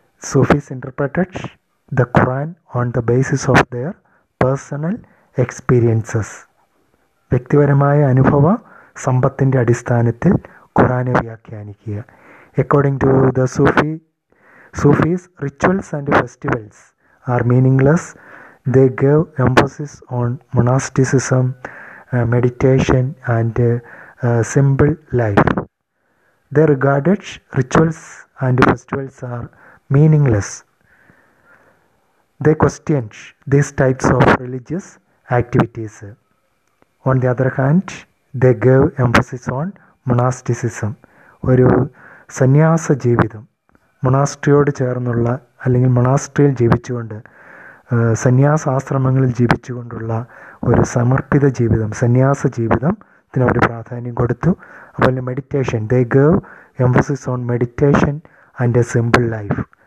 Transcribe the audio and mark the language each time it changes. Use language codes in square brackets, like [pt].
[en] Sufis interpreted the Quran on the basis of their personal experiences. [ml] വ്യക്തിപരമായ അനുഭവ സമ്പത്തിൻ്റെ അടിസ്ഥാനത്തിൽ ഖുറാനെ വ്യാഖ്യാനിക്കുക. [en] According to the Sufis rituals and festivals are meaningless. They gave emphasis on monasticism, meditation, and simple life. They regarded rituals and festivals are meaningless. They questioned these types of religious activities. On the other hand, they gave emphasis on monasticism. [ml] ഒരു സന്യാസ ജീവിതം, മൊണാസ്ട്രിയോട് ചേർന്നുള്ള അല്ലെങ്കിൽ മൊണാസ്ട്രിയിൽ ജീവിച്ചുകൊണ്ട് സന്യാസാശ്രമങ്ങളിൽ ജീവിച്ചുകൊണ്ടുള്ള ഒരു സമർപ്പിത ജീവിതം, സന്യാസ ജീവിതത്തിന് അവർ പ്രാധാന്യം കൊടുത്തു. [en] അതുപോലെ meditation, they gave emphasis on meditation and a simple life.